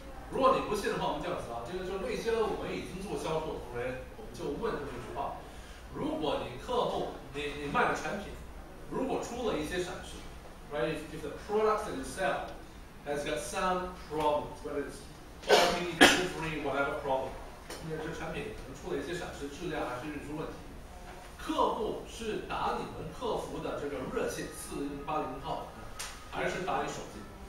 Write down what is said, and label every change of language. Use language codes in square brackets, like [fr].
[zh] 如果你不信的话，我们这样子啊，就那些我们已经做销售的同仁，我们就问这么一句话：如果你客户你卖的产品如果出了一些闪失 ，right? [en] If the product that you sell has got some problems, whether it's quality, delivery, whatever problem. [zh] 因为这产品可能出了一些闪失，质量还是运输问题。客户是打你们客服的这个热线4080号，还是打你手机？